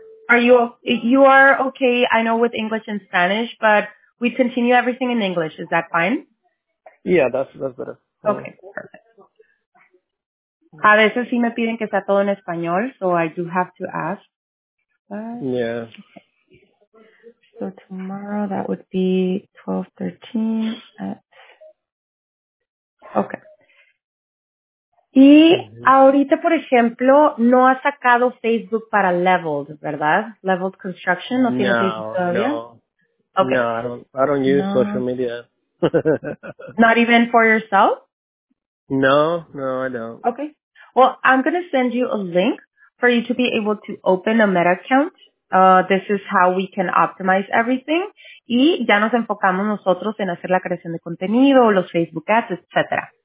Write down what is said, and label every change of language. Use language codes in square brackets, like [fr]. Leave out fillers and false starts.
[en] Are you okay, I know, with English and Spanish, but we continue everything in English. Is that fine? Yeah, that's better. Okay, perfect. [es] A veces sí me piden que sea todo en español, [en] so I do have to ask. But, yeah. Okay. So tomorrow that would be 12:13 at... Okay. [es] Y ahorita, por ejemplo, no ha sacado Facebook para Leveled, ¿verdad? Leveled Construction, ¿no tiene Facebook todavía? [en] No, okay. I don't use social media. Not even for yourself? No, I don't. Okay. Well, I'm going to send you a link for you to be able to open a Meta account. This is how we can optimize everything. [es] Y ya nos enfocamos nosotros en hacer la creación de contenido, los Facebook ads, etcétera.